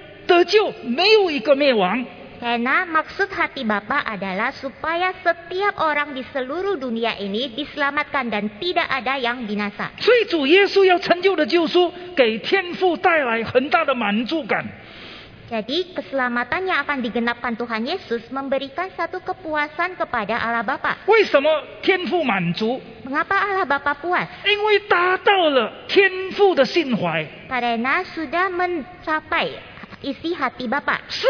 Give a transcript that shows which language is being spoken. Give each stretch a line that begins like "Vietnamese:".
Chinese: 因为天父的心怀是要世界上每一个人得救，没有一个灭亡。
Indonesian: Karena maksud hati Bapa adalah supaya setiap orang di seluruh dunia ini diselamatkan dan tidak ada yang binasa.
Chinese: 所以主耶稣要成就的救赎给天父带来很大的满足感。
Indonesian: Jadi keselamatan yang akan digenapkan Tuhan Yesus memberikan satu kepuasan kepada Allah Bapa.
Chinese: 为什么天父满足?
Indonesian: Mengapa Allah Bapa puas?
Chinese: 因为达到了天父的心怀。
Indonesian: Karena sudah mencapai isi hati Bapa.